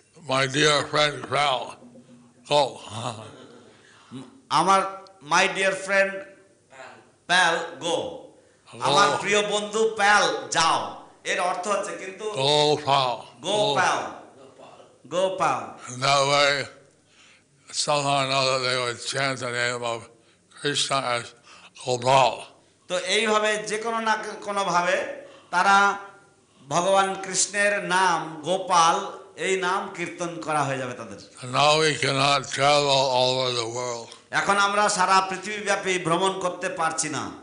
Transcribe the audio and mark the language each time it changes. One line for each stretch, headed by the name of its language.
English: My dear friend pal, go.
Bangla: আমার
English: my dear friend pal গো
Bangla: আমার প্রিয় বন্ধু প্যাল যাও এর অর্থ হচ্ছে কিন্তু
English: Go pal go pal Gopal. In that way, somehow or another, they would chant the name of Krishna as Gopal.
Bangla: So, এইভাবে যে কোনো না কোনো ভাবে তারা ভগবান কৃষ্ণের নাম গোপাল এই নাম কীর্তন করা হয়ে যাবে তাদের.
English: Now we cannot travel all over the world.
Bangla: এখন আমরা সারা পৃথিবীব্যাপী ভ্রমণ করতে পারছি না.